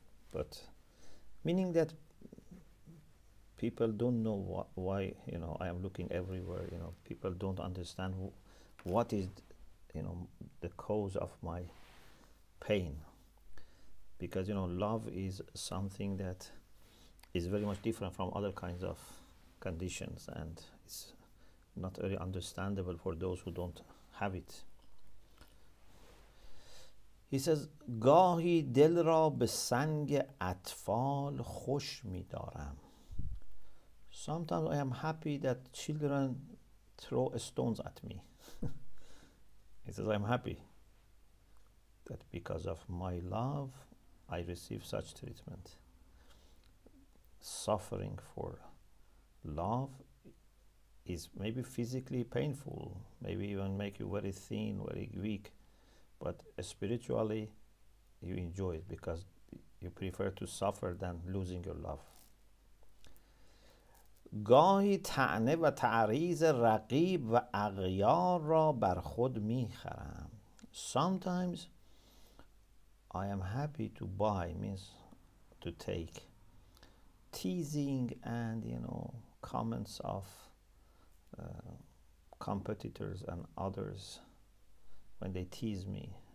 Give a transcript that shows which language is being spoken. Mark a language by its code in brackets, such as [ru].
[en] But meaning that people don't know why, you know, I am looking everywhere, you know, people don't understand what is, you know, the cause of my pain. Because, you know, love is something that is very much different from other kinds of conditions, and it's not very understandable for those who don't have it. He says, [fa] گاهی دل را به سنگ اطفال خوش می دارم. [en] Sometimes I am happy that children throw stones at me. He says, I am happy that because of my love, I receive such treatment. Suffering for love is maybe physically painful, maybe even make you very thin, very weak. But spiritually, you enjoy it because you prefer to suffer than losing your love. [fa] گاهی طعنه و تعریض رقیب و اغیار را بر خود می خرم. [en] Sometimes I am happy to buy, means to take teasing and, you know, comments of competitors and others when they tease me.